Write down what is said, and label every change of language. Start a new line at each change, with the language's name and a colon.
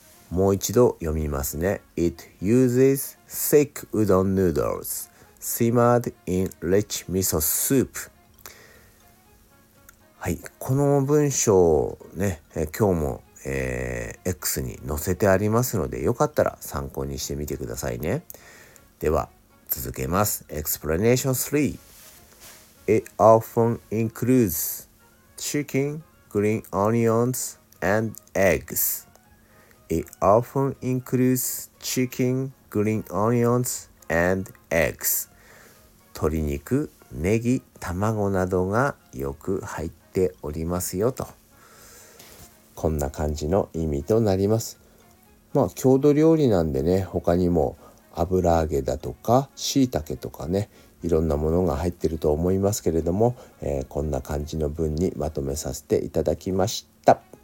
Japanese: もう一度読みますね。
English: It uses thick udon noodles simmered in rich miso soup。
Japanese: はい、この文章をね、今日もX に載せてありますので、よかったら参考にしてみてくださいね。では続けます。
English: Explanation 3. It often includes chicken, green onions and eggs. It often includes chicken, green onions and eggs.
Japanese: 鶏肉、ネギ、卵などがよく入っておりますよと、こんな感じの意味となります。まあ郷土料理なんでね、他にも油揚げだとか椎茸とかね、いろんなものが入ってると思いますけれども、こんな感じの文にまとめさせていただきました。